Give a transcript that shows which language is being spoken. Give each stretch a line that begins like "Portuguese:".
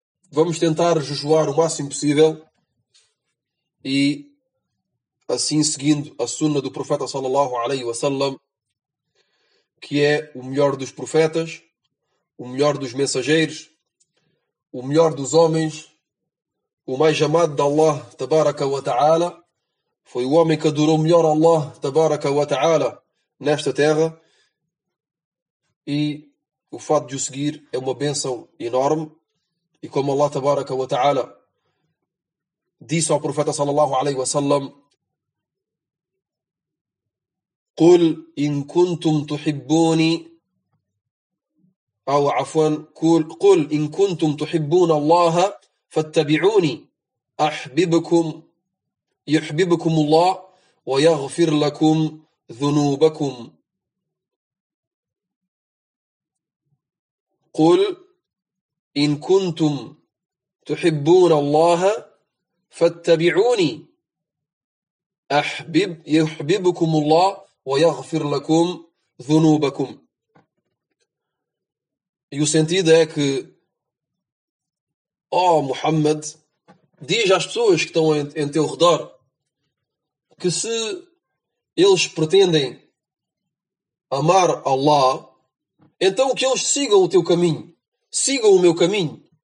Portuguese: Vamos tentar jejuar o máximo possível e, assim, seguindo a sunna do profeta sallallahu alaihi wasallam, que é o melhor dos profetas, o melhor dos mensageiros, o melhor dos homens, o mais amado de Allah tabaraka wa ta'ala. Foi o homem que adorou melhor Allah tabaraka wa ta'ala nesta terra, e o fato de o seguir é uma bênção enorme. E como Allah tabaraka wa ta'ala disse ao profeta sallallahu alaihi wasallam:
Arabic: قل إن كنتم تحبوني أو عفوا قل إن كنتم تحبون الله فاتبعوني أحببكم يحببكم الله ويغفر لكم ذنوبكم. قل إن كنتم تحبون الله فاتبعوني يحببكم الله ويغفر لكم ذنوبكم.
Portuguese: E o sentido é que, ó Muhammad, diz às pessoas que estão em teu redor que, se eles pretendem amar Allah, Então que eles sigam o teu caminho. Sigam o meu caminho.